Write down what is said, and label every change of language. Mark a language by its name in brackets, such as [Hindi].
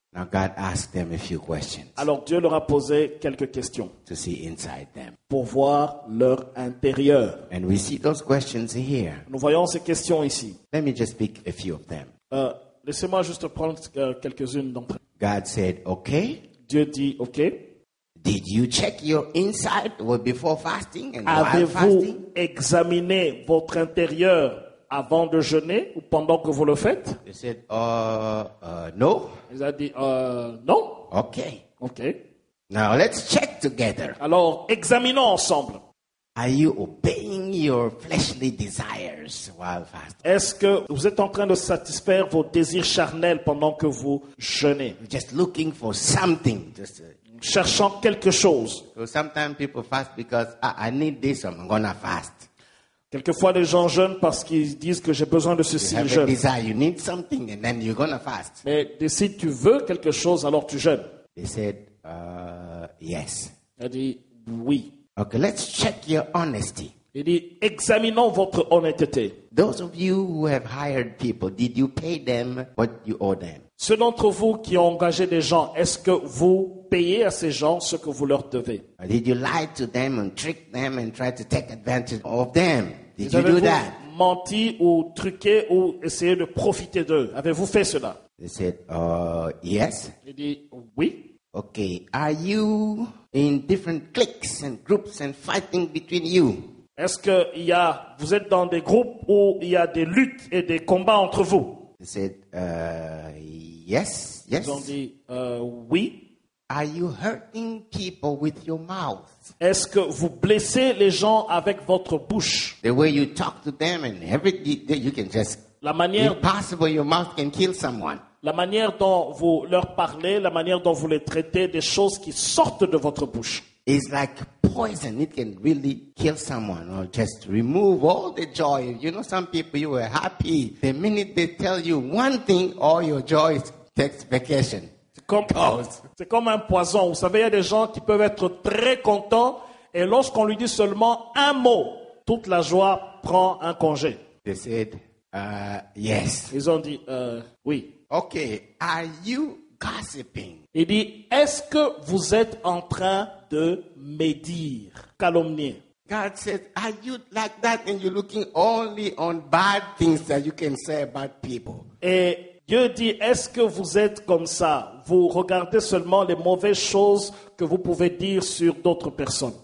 [English] Now God asked them a few questions. [French] Alors Dieu leur a posé quelques questions. [English] To see inside them. [French] Pour voir leur intérieur. [English] And we see those questions here. [French] Nous voyons ces questions ici. [English] Let me just pick a few of them. [French] Laissez-moi juste prendre quelques-unes d'entre elles. [English] God said, "Okay." [French] Dieu dit, OK. [English] Did you check your inside before fasting and [French] Avez-vous [English] while fasting? [French] Examiné votre intérieur avant de jeûner ou pendant que vous le faites? [English] He said, no. [French] Ils ont dit, non. [English] Okay. Okay. Now let's check together. [French] Alors, examinons ensemble. [English] Are you obeying your fleshly desires while fasting? [French] Est-ce que vous êtes en train de satisfaire vos désirs charnels pendant que vous jeûnez? [English] Just looking for something. Just [French] cherchant quelque chose. [English] So sometimes people fast because I need this, I'm gonna fast. [French] Quelquefois, les gens jeûnent parce qu'ils disent que j'ai besoin de ceci, [English] you [French] jeûne. [English] Desire, you need something and then you're gonna fast. [French] Mais si tu veux quelque chose, alors tu jeûnes. [English] They said, yes. [French] Il a dit, oui. [English] Okay, let's check your honesty. [French] Il dit, examinons votre honnêteté. [English] Those of you who have hired people, did you pay them what you owe them? [French] Ceux d'entre vous qui ont engagé des gens, est-ce que vous payez à ces gens ce que vous leur devez? [English] Did you lie to them and trick them and try to take advantage of them? Did [French] Vous [English] you do that? [French] Menti ou truqué ou essayé de profiter d'eux? Avez-vous fait cela? [English] They said, yes. [French] Il dit, oui. [English] Okay, are you in different cliques and groups and fighting between you? [French] Est-ce que vous êtes dans des groupes où il y a des luttes et des combats entre vous? [English] They said, yes, yes. [French] Ils ont dit, oui. [English] Are you hurting people with your mouth? [French] Est-ce que vous blessez les gens avec votre bouche? [English] The way you talk to them and everything, you can just... [French] La manière... [English] Impossible, your mouth can kill someone. [French] La manière dont vous leur parlez, la manière dont vous les traitez, des choses qui sortent de votre bouche. [English] It's like poison. It can really kill someone or just remove all the joy. You know, some people, you were happy. The minute they tell you one thing, all your joy takes vacation. [French] C'est comme un poison. Vous savez, il y a des gens qui peuvent être très contents et lorsqu'on lui dit seulement un mot, toute la joie prend un congé. [English] They said, yes. [French] Ils ont dit, oui. [English] Okay, are you gossiping? [French] Il dit, est-ce que vous êtes en train de médire, calomnier? [English] God says, are you like that and you're looking only on bad things that you can say about people? [French] Et Dieu dit, est-ce que vous êtes comme ça? Vous regardez seulement les mauvaises choses que vous pouvez dire sur d'autres personnes.